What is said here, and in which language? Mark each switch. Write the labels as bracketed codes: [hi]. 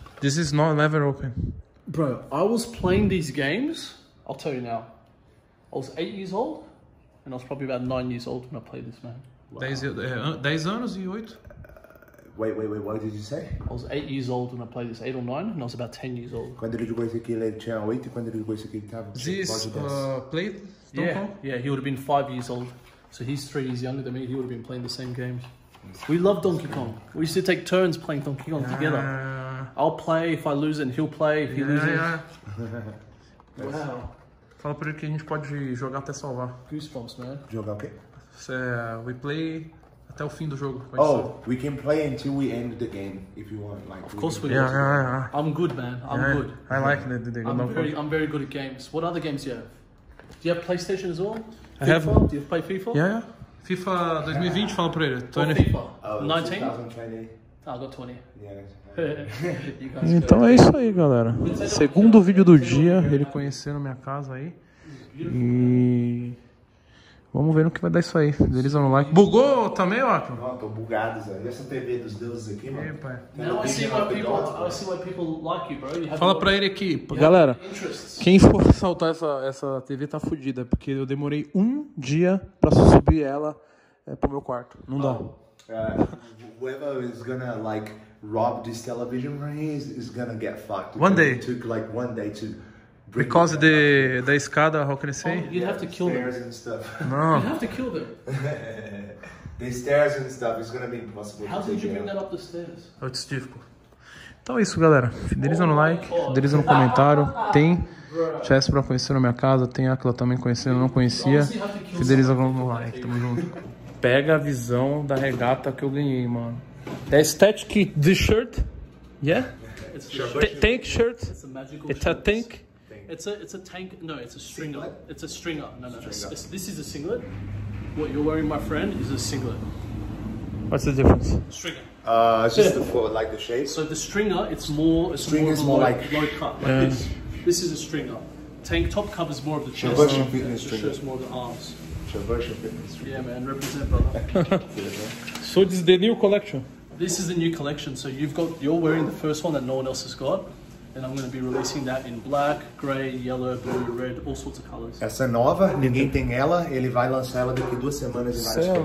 [en] This is not never open. Bro, I was playing these games, I'll tell you now. I was 8 years old, and I was probably about 9 years old when I played this, man. [pt] Like, 10 anos e 8? [en] Wait, what did you say? I was 8 years old when I played this, 8 or 9, and I was about 10 years old. [pt] Quando ele jogou esse aqui, ele tinha 8, e quando ele jogou esse aqui, ele tinha 10. [en] This, played? Yeah, he would have been 5 years old. So he's 3 years younger than me, he would have been playing the same games. We love Donkey Kong. We used to take turns playing Donkey Kong together. I'll play if I lose and he'll play if he loses. Yeah. Wow. [pt] Fala pra ele que a gente pode jogar até salvar. [en] Goosebumps, man. [pt] Jogar o quê? [en] So, we play [pt] até o fim do jogo. [en] Oh, we can play until we end the game, if you want. Like, of course we do. Yeah. I'm good, man. I'm good. I like the game. I'm very good at games. What other games do you have? Do you have PlayStation as well? I have. Do you play FIFA? [pt] Yeah. FIFA 2020, fala pra ele. [en] 2019? Oh, 2020. Ah, I got 20. Yeah. [pt] Então é isso aí, galera. Segundo vídeo do dia, ele conhecendo minha casa aí. E... vamos ver no que vai dar isso aí. Deliza no like. Bugou também, ó. Não, tô bugado, Zé. Essa TV dos deuses aqui, mano. Epa. [en] Now I see why people like you, bro. You [pt] fala pra ele aqui. Galera, quem for assaltar essa TV tá fodida. Porque eu demorei um dia pra subir ela pro meu quarto. Não dá. [en] Whoever is gonna, like, rob this television right here is gonna get fucked. One day. It took, like, one day to... Because the [pt] da escada, [en] how can I say? You'd have to kill them. Stairs and stuff. No. You'd have to kill them. The stairs and stuff is gonna be impossible. How did you bring that up the stairs? Oh, it's difficult. [pt] Então é isso, galera. Fideliza no like, fideliza no comentário. Tem Chess pra conhecer na minha casa, tem Aquila também conhecendo, eu não conhecia. Fideliza no like, tamo junto. Pega a visão da regata que eu ganhei, mano. [en] The aesthetic, the shirt. Yeah? Tank shirt. It's a magical tank. It's a tank, no, it's a stringer. Singlet? It's a stringer. No. This is a singlet. What you're wearing, my friend, is a singlet. What's the difference? Stringer. It's just the shape. So the stringer, it's more like this. This is a stringer. Tank top covers more of the chest. Traversion fitness stringer. The shirt's more of the arms. Traversion fitness stringer. Yeah, man, represent, brother. So this is the new collection? This is the new collection. So you're wearing the first one that no one else has got. And I'm going to be releasing that in black, gray, yellow, blue, red, all sorts of colors. [pt] Essa é nova, ninguém tem ela. Ele vai lançar ela daqui 2 semanas em várias cores.